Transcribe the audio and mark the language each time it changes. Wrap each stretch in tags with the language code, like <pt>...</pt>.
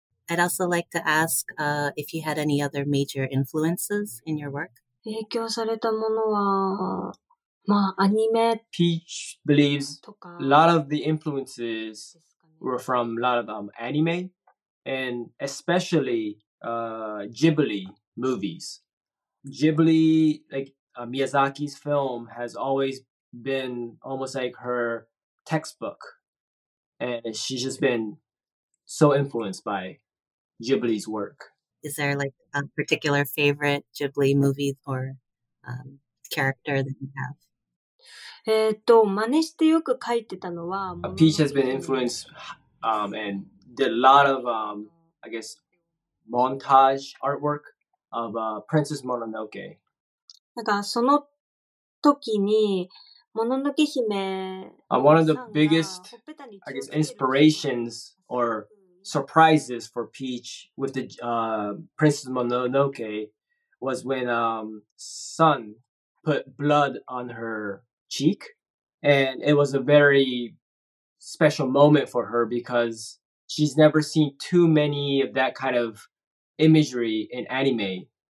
<en>I'd also like to ask if you had any other major influences in your work.</en> <ja>影響されたものは、まあ、アニメ。</ja> <en>Peach believes a lot of the influences were from a lot of anime and especially Ghibli movies. Ghibli, like, Miyazaki's film has always been almost like her textbook. And she's just been so influenced by Ghibli's work. Is there like a particular favorite Ghibli movie or character that you have?</en> <ja>真似してよく描いてたのは</ja> <en>Peach has been influenced and did a lot of, I guess, montage artwork of Princess Mononoke.</en> <ja>なんかその時にもののけ姫さんが</ja> <en>One of the biggest, I guess, inspirations or surprises for Peach with the Princess Mononoke was when Sun put blood on her cheek, and it was a very special moment for her because she's never seen too many of that kind of imagery in anime.</en>